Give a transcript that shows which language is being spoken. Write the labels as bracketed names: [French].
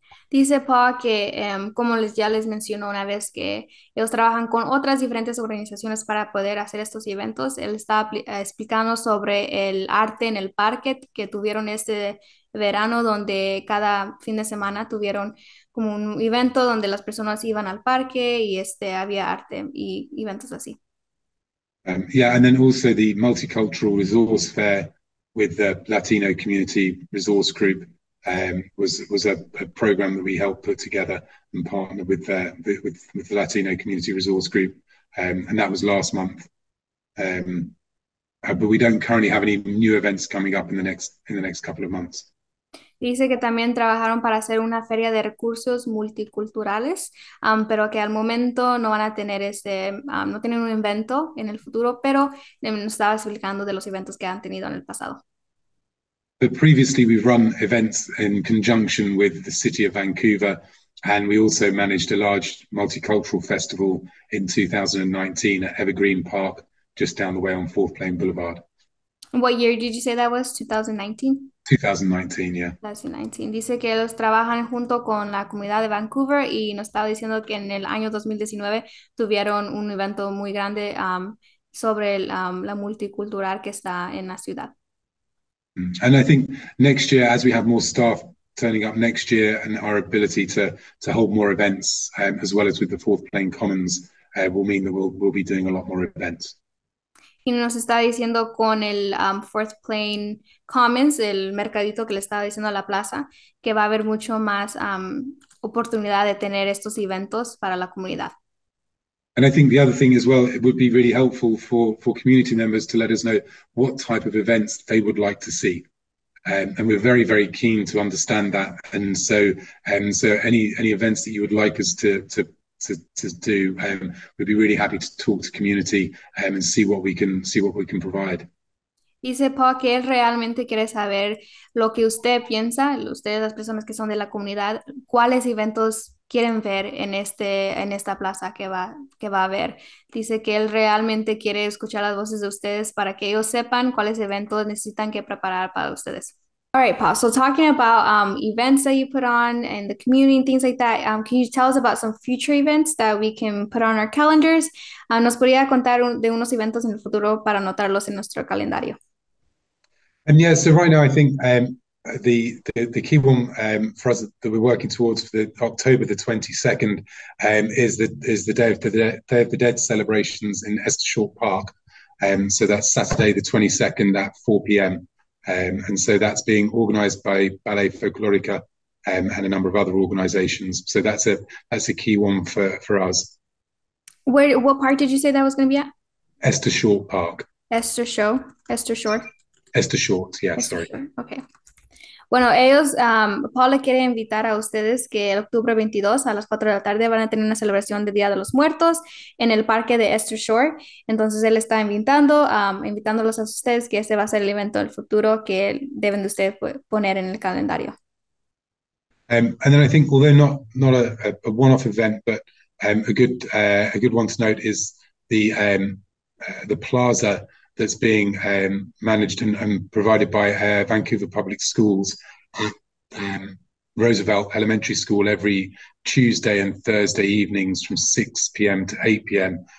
[Spanish] Dice Paul que, como ya les mencionó una vez, que ellos trabajan con otras diferentes organizaciones para poder hacer estos eventos. Él está explicando sobre el arte en el parque que tuvieron este verano, donde cada fin de semana tuvieron como un evento donde las personas iban al parque y había arte y eventos así. [English] And then also the Multicultural Resource Fair with the Latino Community Resource Group. Was a program that we helped put together and partner with the Latino Community Resource Group, and that was last month. But we don't currently have any new events coming up in the next couple of months. [Spanish] Dice que también trabajaron para hacer una feria de recursos multiculturales, pero que al momento no van a tener no tienen un evento en el futuro, pero nos estaba explicando de los eventos que han tenido en el pasado. [English] But previously, we've run events in conjunction with the City of Vancouver, and we also managed a large multicultural festival in 2019 at Evergreen Park, just down the way on Fourth Plain Boulevard. What year did you say that was? 2019? 2019, yeah. 2019. [Spanish] Dice que ellos trabajan junto con la comunidad de Vancouver, y nos estaba diciendo que en el año 2019 tuvieron un evento muy grande sobre la multicultural que está en la ciudad. [English] And I think next year, as we have more staff turning up next year and our ability to hold more events, as well as with the Fourth Plain Commons, will mean that we'll be doing a lot more events. [Spanish] Y nos está diciendo con el Fourth Plain Commons, el mercadito que le estaba diciendo a la plaza, que va a haber mucho más oportunidad de tener estos eventos para la comunidad. [English] And I think the other thing as well, it would be really helpful for community members to let us know what type of events they would like to see. And we're very, very keen to understand that. And so any events that you would like us to do, we'd be really happy to talk to community and see what we can provide. [Spanish] Dice Paul que él realmente quiere saber lo que usted piensa, ustedes las personas que son de la comunidad, cuáles eventos quieren ver en esta plaza que va a haber. Dice que él realmente quiere escuchar las voces de ustedes para que ellos sepan cuáles eventos necesitan que preparar para ustedes. [English] All right, Paul, so talking about events that you put on in the community and things like that, can you tell us about some future events that we can put on our calendars? [Spanish] ¿Nos podría contar de unos eventos en el futuro para anotarlos en nuestro calendario? [English] And yeah, so right now I think the key one for us that we're working towards for October the 22nd is the Day of the Dead celebrations in Este Short Park. So that's Saturday the 22nd at 4 p.m. And so that's being organized by Ballet Folklorica and a number of other organizations. So that's a key one for us. What park did you say that was going to be at? Este Short Park. Este Short, yeah, Este sorry. Short. Okay. [Spanish] Bueno, ellos, Paul le quiere invitar a ustedes que el octubre 22 a las 4 de la tarde van a tener una celebración de Día de los Muertos en el parque de Este Shore. Entonces él está invitándolos a ustedes que este va a ser el evento del futuro que deben de ustedes poner en el calendario. [English] And then I think, although not a one-off event, but a good one to note is the plaza that's being managed and provided by Vancouver Public Schools at Roosevelt Elementary School every Tuesday and Thursday evenings from 6 p.m. to 8 p.m.